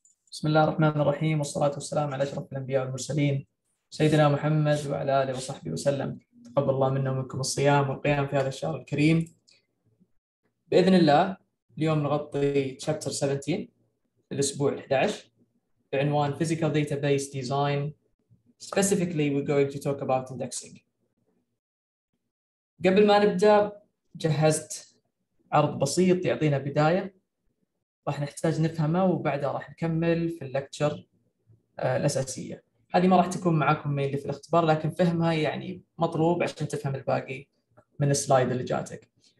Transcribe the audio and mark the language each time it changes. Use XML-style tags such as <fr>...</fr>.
<ar>بسم الله الرحمن الرحيم، والصلاة والسلام على أشرف الأنبياء والمرسلين سيدنا محمد وعلى آله وصحبه وسلم. تقبل الله منا ومنكم الصيام والقيام في هذا الشهر الكريم بإذن الله. اليوم نغطي تشابتر 17 الأسبوع 11 بعنوان Physical Database Design.</ar> <en>Specifically we're going to talk about indexing.</en> <ar>قبل ما نبدأ جهزت عرض بسيط يعطينا بداية راح نحتاج نفهمه، وبعدها راح نكمل في اللكتشر الأساسية. هذه ما راح تكون معاكم ميلي في الاختبار، لكن فهمها يعني مطلوب عشان تفهم الباقي من السلايد اللي جاتك.</ar>